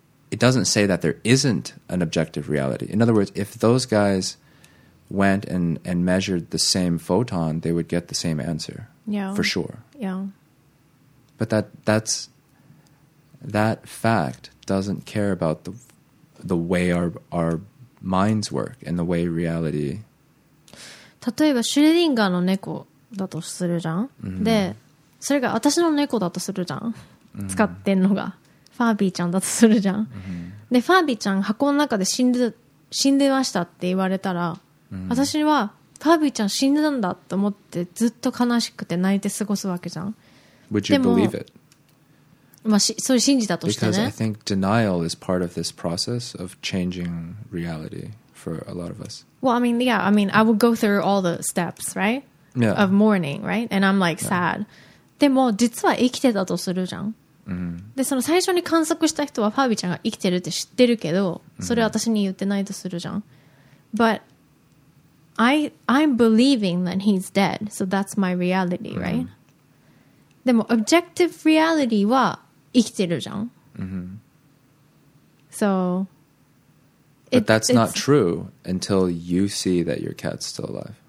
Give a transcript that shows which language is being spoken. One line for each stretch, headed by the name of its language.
English: It doesn't say that there isn't an objective reality. In other words, if those guys went and measured the same photon, they would get the same answer. Yeah. For sure. Yeah. But that fact doesn't care about the way our minds work and the way reality...
Japanese: 例えばシュレディンガーの猫だとするじゃん、mm-hmm. でそれが私の猫だとするじゃん、mm-hmm. 使ってんのがファービーちゃんだとするじゃん、 mm-hmm. でファービーちゃん箱の中で死んでましたって言われたら、mm-hmm. 私はファービーちゃん死んだんだと思ってずっと悲しくて泣いて過ごすわけじゃん
English: Would you でも believe it?
Japanese: まあそれ信じたとしてね
English: Because I think denial is part of this process of changing realityFor a lot of us. Well, I mean, yeah, I mean, I would go through all the steps, right? Yeah. Of mourning, right? And I'm like sad.
Japanese: でも実は生きてたとするじゃん。で、その最初に観測した人はファービーちゃんが生きてるって知ってるけど、それは私に言ってないとするじゃん。
English: But I'm believing that he's dead, so that's my reality, right?
Japanese: でも objective reality は生きてるじゃん。So...
English: But that's not true until you see that your cat's still alive.